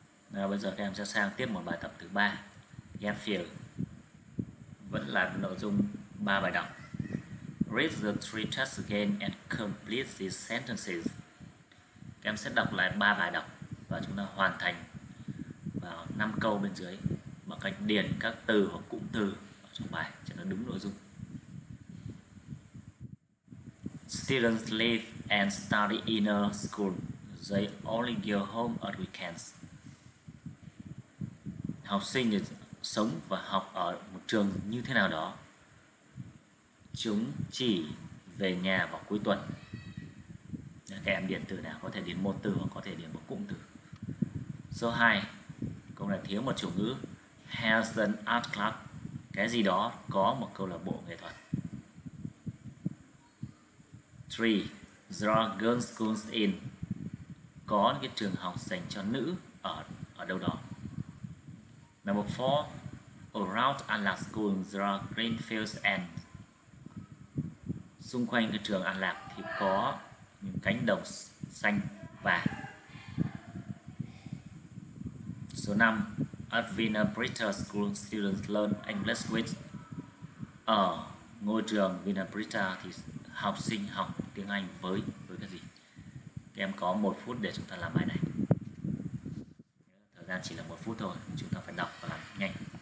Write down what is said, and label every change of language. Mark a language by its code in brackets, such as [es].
[vi] Nào, bây giờ các em sẽ sang tiếp một bài tập thứ 3, Gapfield. Vẫn là nội dung 3 bài đọc. [en] Read the 3 tests again and complete these sentences. [vi] Các em sẽ đọc lại 3 bài đọc và chúng ta hoàn thành vào 5 câu bên dưới bằng cách điền các từ hoặc cụm từ vào trong bài cho nó đúng nội dung. [en] Students live and study in a school. They only go home at weekends. [vi] Học sinh sống và học ở một trường như thế nào đó. Chúng chỉ về nhà vào cuối tuần. Các em điền từ nào, có thể điền một từ hoặc có thể điền một cụm từ. Số 2, câu này thiếu một chủ ngữ. [en] Has an art club. [vi] Cái gì đó có một câu lạc bộ nghệ thuật. 3, [en] there are girls' schools in. [vi] Có những cái trường học dành cho nữ ở đâu đó. [en] Number 4, around Anlac School there are green fields and. [vi] Xung quanh cái trường An Lạc thì có những cánh đồng xanh vàng. Số 5, [en] at Vina Brita School students learn English with. [vi] Ở ngôi trường Vina Brita thì học sinh học tiếng Anh với cái gì? Các em có 1 phút để chúng ta làm bài này. Thời gian chỉ là 1 phút thôi, chúng ta phải đọc và làm nhanh.